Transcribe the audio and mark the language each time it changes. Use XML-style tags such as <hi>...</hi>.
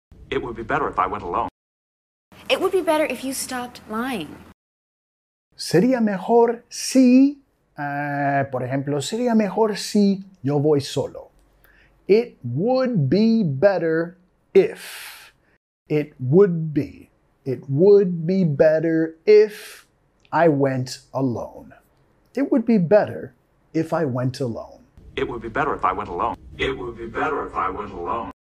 <en>It would be better if I went alone. It would be better if you stopped lying.</en> <es>Sería mejor si, por ejemplo, sería mejor si yo voy solo.</es> <en>It would be better if. It would be better if I went alone. It would be better if I went alone. It would be better if I went alone. It would be better if I went alone.</en>